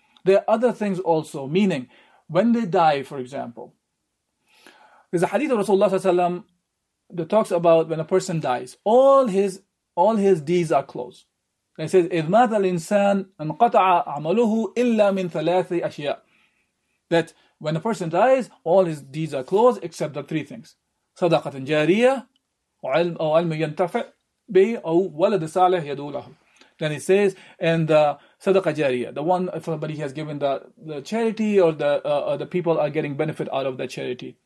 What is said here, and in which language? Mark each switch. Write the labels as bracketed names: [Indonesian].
[English] There are other things also, meaning, when they die, for example, there's a hadith of Rasulullah sallallahu alaihi wasallam that talks about when a person dies, all his deeds are closed. It says, [Arabic] إِذْ مَاتَ الْإِنسَانَ انْقَطَعَ عَمَلُهُ إِلَّا مِنْ ثَلَاثِ أَشْيَاءَ. [English] That when a person dies, all his deeds are closed except the three things. [Arabic] صَدَقَةٍ جَارِيَةٍ وَعَلْمٍ يَنْتَفِعْ بِهِ أَوْ وَلَدٍ صَالِحٍ يَدُوْ لَهُ. [English] Then it says, and صَدَقَ جَارِيَةٍ, the one if somebody has given the charity, or the people are getting benefit out of that charity.